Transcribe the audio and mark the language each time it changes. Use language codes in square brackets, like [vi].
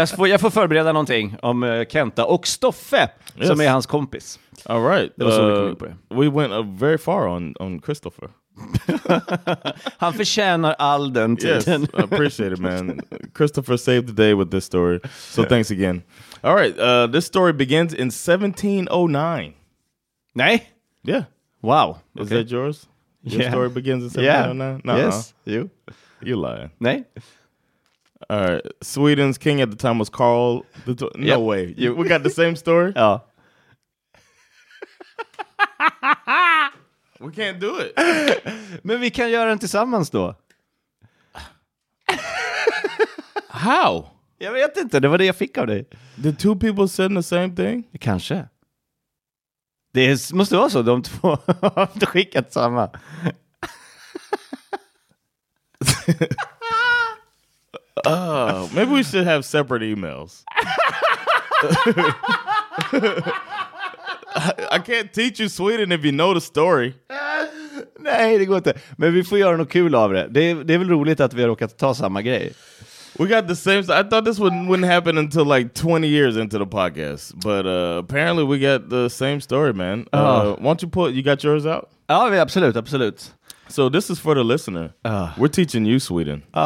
[sv] jag får förbereda någonting om Kenta och Stoffe, yes, som är hans kompis. [en] All right. [sv] Det var så mycket på det. [en] We went very far on Christopher. [sv] Han förtjänar all den tiden. [en] Yes, I appreciate it, man. Christopher saved the day with this story. So yeah. Thanks again. All right. This story begins in 1709. [sv] Nej? [en] Yeah. Wow. Is that yours? Your story begins in 1709? Yeah. Yes. You? You're lying. [sv] Nej. [en] All right. Sweden's king at the time was Carl the No yep. way. You. We got the same story? Yeah. Oh. We can't do it. [sv] Men vi kan göra den tillsammans då. [en] How? [sv] Jag vet inte. Det var det jag fick av dig. [en] Did two people say the same thing? [sv] Kanske. Det måste vara så, de två har inte skickat samma. [en] Maybe we should have separate emails. I can't teach you Sweden if you know the story. [sv] Nej, det går inte. Men vi får göra något kul av det. Det är väl roligt att vi har råkat ta samma grej. [en] We got the same. I thought this wouldn't happen until like 20 years into the podcast, but apparently we got the same story, man. Won't you put? You got yours out? Oh, yeah, absolutely, absolutely. So this is for the listener. We're teaching you Sweden.